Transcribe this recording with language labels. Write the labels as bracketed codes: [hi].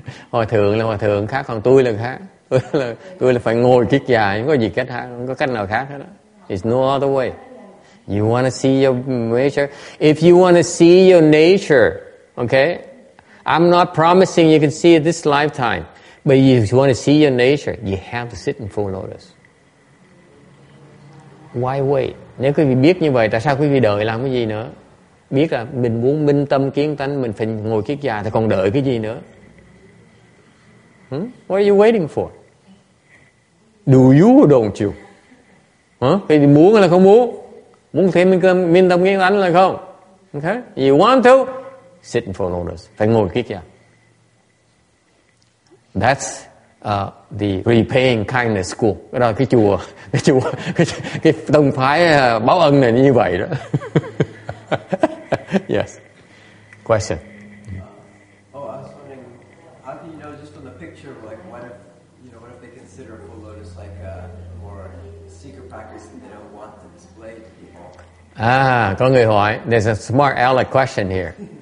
[vi] Hòa thượng là hòa thượng khác, còn tôi là khác. Tôi là phải ngồi kiết già, không có gì cách khác, không có cách nào khác hết đó. [en] It's no other way. You want to see your nature? If you want to see your nature, okay? I'm not promising you can see it this lifetime. But if you want to see your nature, you have to sit in full lotus. Why wait? [vi] Nếu quý vị biết như vậy, tại sao quý vị đợi làm cái gì nữa? Biết là mình muốn minh tâm kiến tánh, mình phải ngồi kiết già, thì còn đợi cái gì nữa? [en] What are you waiting for? Do you or don't you? [vi] Quý vị muốn hay là không muốn? Muốn thêm minh tâm kiến tánh là không? [en] Okay? You want to? Sit in full lotus. [vi] Phải ngồi kiết già. [en] That's the repaying kindness school. [vi] Cái đó cái chùa, cái chùa, cái tông phái báo ân này như vậy đó. [en] Yes. Question. I was wondering, how do you know just from the picture, like what if they consider full lotus like a more secret practice and they don't want to display to people? [vi] Có người hỏi, [en] there's a smart aleck question here.